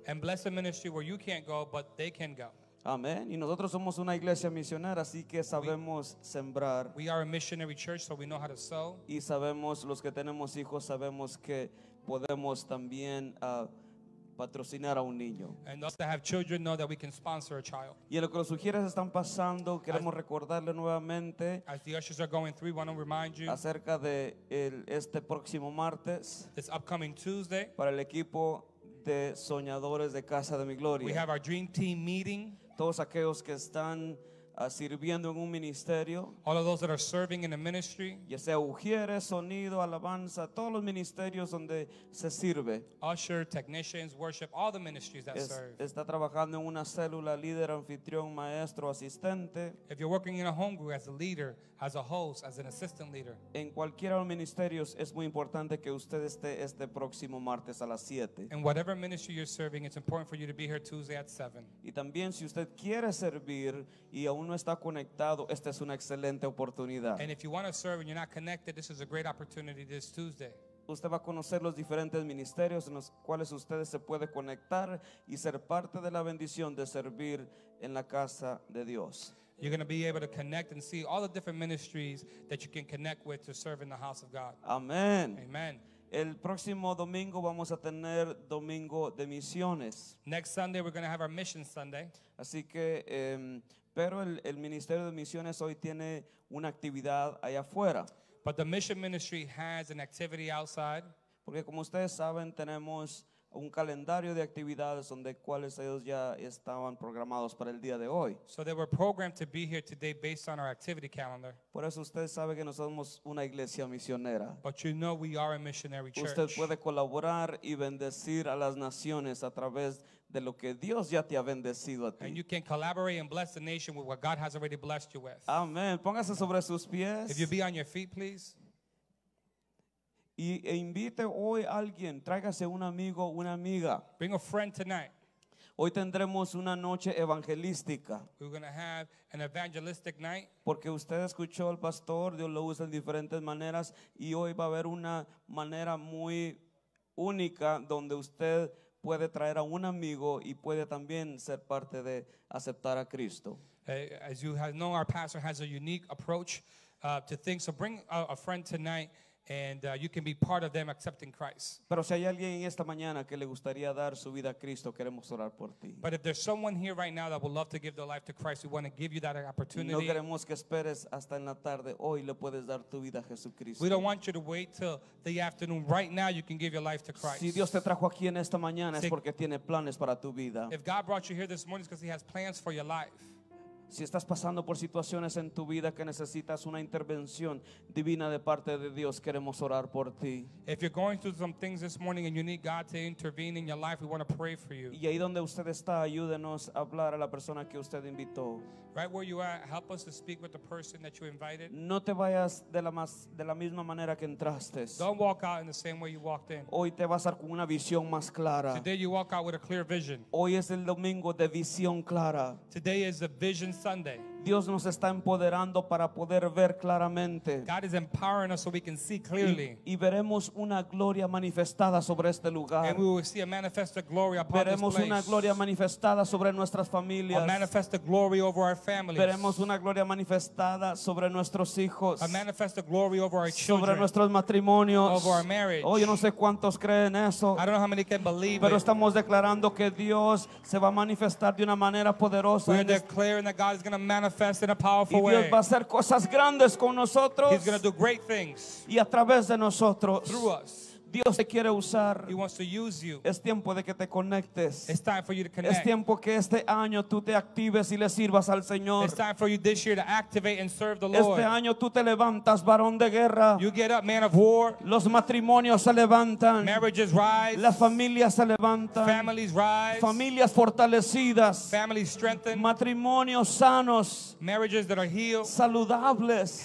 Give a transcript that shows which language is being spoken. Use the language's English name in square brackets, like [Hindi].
[English] And bless the ministry where you can't go, but they can go. [Spanish] Amén. Y nosotros somos una iglesia misionera, así que sabemos sembrar. [English] We are a missionary church, so we know how to sow. [Spanish] Y sabemos, los que tenemos hijos, sabemos que podemos también patrocinar a un niño. [English] And those that have children know that we can sponsor a child. [Spanish] Y lo que los sugieres están pasando, queremos recordarle nuevamente. [English] As the ushers are going through, we want to remind you. [Spanish] Acerca de este próximo martes. [English] This upcoming Tuesday. [Spanish] Para el equipo de soñadores de Casa de mi Gloria. [English] We have our dream team meeting. [Spanish] Todos aquellos que están sirviendo en un ministerio. [English] All of those that are serving in a ministry. [Spanish] Ya sea ujieres, sonido, alabanza, todos los ministerios donde se sirve. [English] Usher, technicians, worship, all the ministries that serve. [Spanish] Está trabajando en una célula, líder, anfitrión, maestro, asistente. [English] If you're working in a home group as a leader, as a host, as an assistant leader. [Spanish] En cualquiera de los ministerios es muy importante que usted esté este próximo martes a las 7. [English] In whatever ministry you're serving, it's important for you to be here Tuesday at 7. [Spanish] Y también si usted quiere servir y aún no está conectado, esta es una excelente oportunidad. [English] And if you want to serve and you're not connected, this is a great opportunity this Tuesday. [Spanish] Usted va a conocer los diferentes ministerios en los cuales usted se puede conectar y ser parte de la bendición de servir en la casa de Dios. [English] You're going to be able to connect and see all the different ministries that you can connect with to serve in the house of God. Amen. Amen. [Spanish] El próximo domingo vamos a tener domingo de misiones. [English] Next Sunday we're going to have our mission Sunday. [Spanish] Así que, pero el ministerio de misiones hoy tiene una actividad allá afuera. [English] But the mission ministry has an activity outside. [Spanish] Porque como ustedes saben, tenemos un calendario de actividades donde cuales ellos ya estaban programados para el día de hoy. [English] So they were programmed to be here today based on our activity calendar. [Spanish] Por eso usted sabe que nosotros somos una iglesia misionera. [English] But you know we are a missionary church. [Spanish] Usted puede colaborar y bendecir a las naciones a través de lo que Dios ya te ha bendecido a ti. [English] And you can collaborate and bless the nation with what God has already blessed you with. [Spanish] Amén. Póngase sobre sus pies. [English] If you be on your feet, please. [Spanish] Y invite hoy a alguien, tráigase un amigo o una amiga. [English] Bring a friend tonight. [Spanish] Hoy tendremos una noche evangelística. [English] We're going to have an evangelistic night. [Spanish] Porque usted escuchó al pastor, Dios lo usa en diferentes maneras. Y hoy va a haber una manera muy única donde usted puede traer a un amigo y puede también ser parte de aceptar a Cristo. [English] As you have known, our pastor has a unique approach to things. So bring a friend tonight. And you can be part of them accepting Christ. [Spanish] Pero si hay alguien en esta mañana que le gustaría dar su vida a Cristo, queremos orar por ti. [English] But if there's someone here right now that would love to give their life to Christ, we want to give you that opportunity. [Spanish] No queremos que esperes hasta en la tarde. Hoy le puedes dar tu vida a Jesucristo. [English] We don't want you to wait till the afternoon. Right now you can give your life to Christ. [Spanish] Si Dios te trajo aquí en esta mañana, es porque tiene planes para tu vida. [English] If God brought you here this morning, it's because he has plans for your life. [Spanish] Si estás pasando por situaciones en tu vida que necesitas una intervención divina de parte de Dios, queremos orar por ti. [English] If you're going through some things this morning and you need God to intervene in your life, we want to pray for you. [Spanish] Y ahí donde usted está, ayúdenos a hablar a la persona que usted invitó. [English] Right where you are, help us to speak with the person that you invited. [Spanish] No te vayas de la misma manera que entraste. [English] Don't walk out in the same way you walked in. [Spanish] Hoy te vas a ir con una visión más clara. [English] Today you walk out with a clear vision. [Spanish] Hoy es el domingo de visión clara. [English] Today is the vision Sunday. [Spanish] Dios nos está empoderando para poder ver claramente. [English] God is empowering us so we can see clearly. [Spanish] Y veremos una gloria manifestada sobre este lugar. [English] And we will see a manifested glory upon [Spanish] veremos [English] this place. [Spanish] Una gloria manifestada sobre nuestras familias. [English] A manifested glory over our families. [Spanish] Veremos una gloria manifestada sobre nuestros hijos. [English] A manifested glory over our children. [Spanish] Sobre nuestros matrimonios. [English] Over our marriage. [Spanish] Oh, yo no sé cuántos creen eso. [English] I don't know how many can believe [Spanish] pero [English] it. [Spanish] Estamos declarando que Dios se va a manifestar de una manera poderosa. [English] We're declaring that God is going to manifest in a powerful way. [Spanish] Y Dios [English] way. [Spanish] Va a hacer cosas grandes con nosotros. [English] He's going to do great things. [Spanish] Y a través de nosotros. [English] Through us. [Spanish] Dios te quiere usar. [English] He wants to use you. [Spanish] Es tiempo de que te conectes. [English] It's time for you to connect. [Spanish] Es tiempo que este año tú te actives y le sirvas al Señor. [English] It's time for you this year to activate and serve the Lord. [Spanish] Este año tú te levantas, varón de guerra. [English] You get up, man of war. [Spanish] Los matrimonios se levantan. [English] Marriages rise. [Spanish] Las familias se levantan. [English] Families rise. [Spanish] Familias fortalecidas. [English] Families strengthened. [Spanish] Matrimonios sanos. [English] Marriages that are healed. [Spanish] Saludables.